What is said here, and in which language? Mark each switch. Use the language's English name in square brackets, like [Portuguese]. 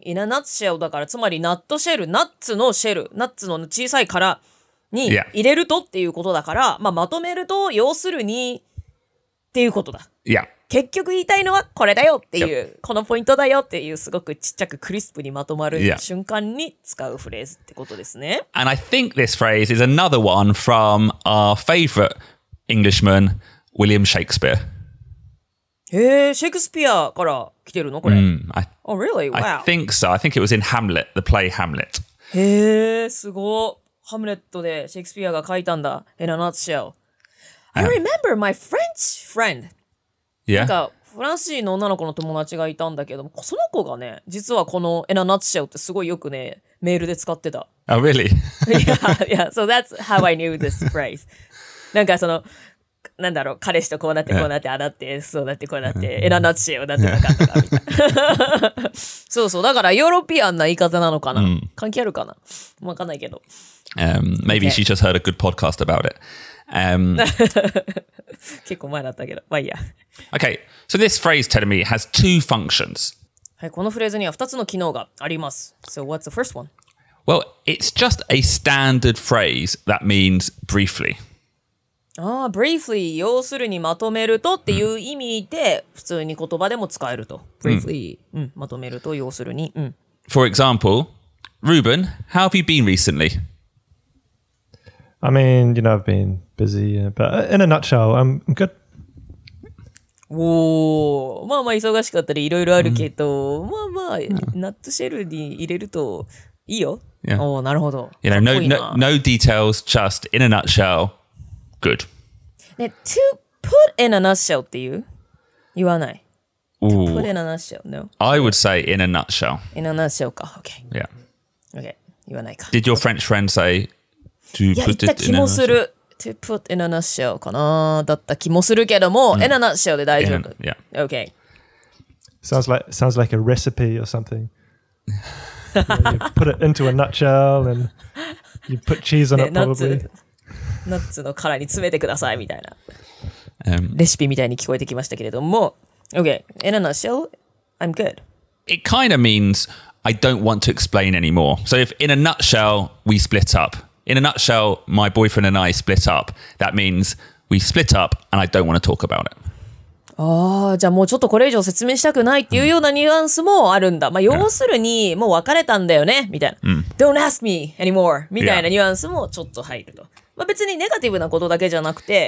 [Japanese] In a nutshell, だからつまりナットシェル、ナッツのシェル、ナッツの小さい殻に入れるとっていうことだから、まあ、まとめると要するにっていうことだ。 [English] Yeah. [Japanese] 結局言いたいのはこれだよっていう、yep. このポイントだよっていうすごくちっちゃくクリスプにまとまる、yeah. 瞬間に使うフレーズってことですね。 [English] And I think this phrase is another one from our favorite Englishman, William Shakespeare. [Japanese] へぇ、シェイクスピアから来てるのこれ。 [English] Oh, really? Wow. I think so. I think it was in Hamlet, the play Hamlet. [Japanese] へぇ、すごい。ハムレットでシェイクスピアが書いたんだ。 [English] In a nutshell. I remember my French friend. Yeah. [Japanese] なんかフランス人の女の子の友達がいたんだけどもその子がね実はこの In a nutshell ってすごいよくねメールで使ってた [English] Oh really? yeah, yeah, so that's how I knew this phrase [Japanese] なんかそのなんだろう彼氏とこうなってこうなって、yeah. あだってそうなってこうなって In a nutshell なんてなかったかみたいな そうそうだからヨーロピアンな言い方なのかな、mm. 関係あるかなわかんないけど、 [English] Maybe、okay. she just heard a good podcast about it [Japanese] 結構前だったけど、まあいいや。 [English] Okay, so this phrase, Terumi, has two functions. [Japanese] はい、このフレーズには2つの機能があります。 [English] So what's the first one? Well, it's just a standard phrase that means briefly. [Japanese] ああ、briefly、要するにまとめるとっていう意味で、mm. 普通に言葉でも使えると。 [English] Briefly、mm. [Japanese] うん、まとめると要するに。うん、 [English] For example, Ruben, how have you been recently? I mean, you know, I've been busy, but in a nutshell, I'm good. [Japanese] おまあまあ忙しかったりいろいろあるけど、mm. まあまあ、yeah. ナットシェルに入れるといいよ。 [English] Yeah. [Japanese] おなるほど。 [English] You know, no details, just in a nutshell, good.、 [Japanese] ね、 [English] to put in a nutshell [Japanese] っていう言わない、 [English] Ooh. To put in a nutshell, no. I would say in a nutshell. In a nutshell か、okay. Yeah. [Japanese] Okay, 言わないか。 [English] Did your French friend say to put it in a nutshell? [Japanese] いや、言った気もする。 [English] To put in a nutshell [Japanese] かなだった気もするけども、mm. in a nutshell で大丈夫。 [English] In a, yeah. Okay. Sounds like a recipe or something. You put it into a nutshell and you put cheese on it probably. [Japanese] Nuts の殻に詰めてくださいみたいな。レシピみたいに聞こえてきましたけれども。 [English] Okay. In a nutshell, I'm good. It kind of means I don't want to explain anymore. So if in a nutshell, we split up. In a nutshell, my boyfriend and I split up. That means we split up and I don't want to talk about it. [Japanese] ああ、じゃあもうちょっとこれ以上説明したくないっていうようなニュアンスもあるんだ。まあ要するに、もう別れたんだよね、みたいな。 [English] Yeah. Don't ask me anymore, [Japanese] みたいなニュアンスもちょっと入ると。まあ別にネガティブなことだけじゃなくて。